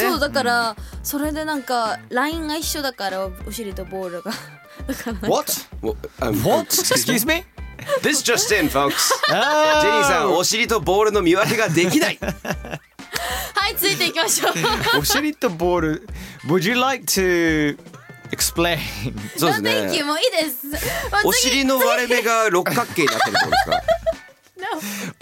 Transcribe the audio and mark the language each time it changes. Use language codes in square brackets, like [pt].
[ja] そうだから、うん、それでなんかラインが一緒だからおちりとボールが。 [en] What? What? Excuse me? This just in, folks. [ja] ジェニーさん、お尻とボールの見分けができない。はい、ついていきましょう。お尻とボール、 [en] Would you like to explain? [ja] そうですね。 [en] Thank you, [ja] もういいです。お尻の割れ目が六角形になってるんですか？